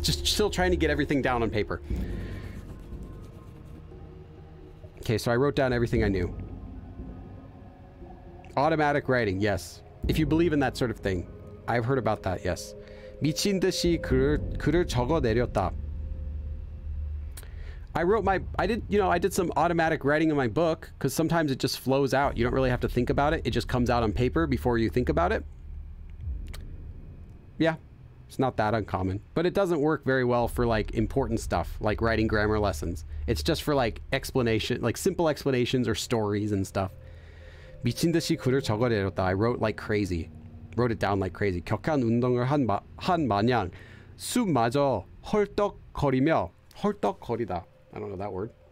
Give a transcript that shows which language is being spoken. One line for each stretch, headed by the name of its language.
English: Just still trying to get everything down on paper. Okay, so I wrote down everything I knew. Automatic writing, yes. If you believe in that sort of thing. I've heard about that, yes.
Korean: 미친 듯이 글을 적어 내렸다.
English: I did some automatic writing in my book, because sometimes it just flows out. You don't really have to think about it. It just comes out on paper before you think about it. Yeah, it's not that uncommon. But it doesn't work very well for, like, important stuff, like writing grammar lessons. It's just for, like, explanation, like, simple explanations or stories and stuff.
Korean: 미친듯이 글을 적어내렸다.
English: I wrote like crazy. Wrote it down like crazy.
Korean: 격한 운동을 한 마냥 숨마저 헐떡거리며 헐떡거리다.
English: I don't know that word.